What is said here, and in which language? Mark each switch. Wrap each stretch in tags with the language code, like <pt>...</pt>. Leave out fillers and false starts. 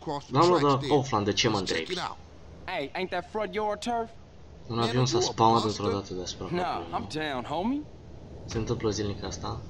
<ro>Da, Oflan, de ce mă întrebi?</ro> <en>Ain't that front yard turf?</en> <ro>Un avion s-a spawnat într-o dată deasupra copilului. Se întâmplă zilnic asta.</ro>